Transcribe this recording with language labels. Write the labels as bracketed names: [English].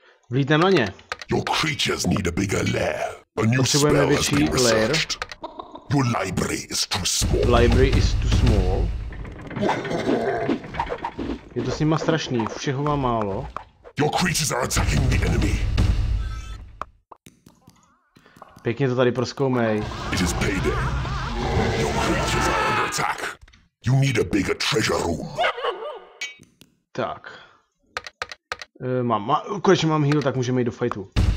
[Czech] Vlítne na ně. [English] Your creatures need a bigger lair. A new spell has been researched. Your library is too small. [Czech] Je to s nima strašný, všeho má málo. [English] Your creatures are attacking the enemy. [Czech] Pěkně to tady prozkoumej. [English] It is payday. Your creatures are under attack. You need a bigger treasure room. [Czech] Tak. Konečně mám heal, tak můžeme jít do fightu.